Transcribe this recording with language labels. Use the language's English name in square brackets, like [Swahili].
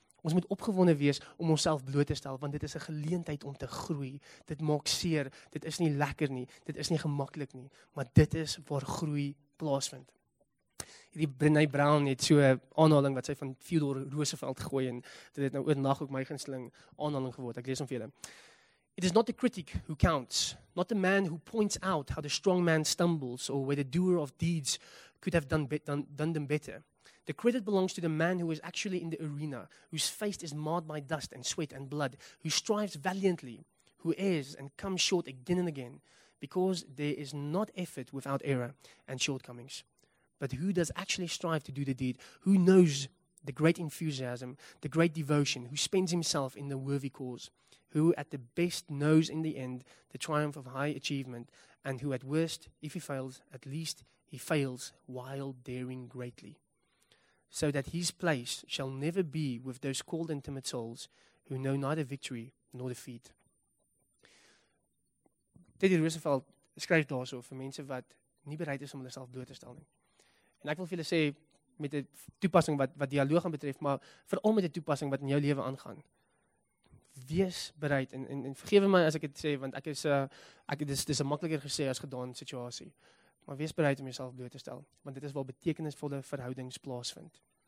[Afrikaans] Ons moet opgewonde wees om onsself bloot te stel, want dit is 'n geleentheid om te groei. Dit maak seer, dit is nie lekker nie, dit is nie gemaklik nie, maar dit is waar groei plaasvind. Hierdie Brené Brown het so 'n aanhaling wat sy van Theodore Roosevelt gegooi en dit het nou oornag ook my gunsteling aanhaling geword. Ek lees hom vir julle. [English] It is not the critic who counts, not the man who points out how the strong man stumbles or where the doer of deeds could have done them better. The credit belongs to the man who is actually in the arena, whose face is marred by dust and sweat and blood, who strives valiantly, who errs and comes short again and again, because there is not effort without error and shortcomings. But who does actually strive to do the deed? Who knows the great enthusiasm, the great devotion, who spends himself in the worthy cause, who at the best knows in the end the triumph of high achievement, and who at worst, if he fails, at least he fails while daring greatly, so that his place shall never be with those cold and timid souls who know neither victory nor defeat. [Afrikaans] Teddy Roosevelt skryf daarso vir mense wat nie bereid is om hulle self dood te stel nie. En ek wil vir julle sê, met die toepassing wat dialoog aan betref, maar veral met die toepassing wat in jou lewe aangaan, wees bereid, en vergewe my as ek dit sê, want dit is makliker gesê as gedaan situasie, maar wees bereid om jouself bloot te stel, want dit is waar betekenisvolle verhoudings plaasvind.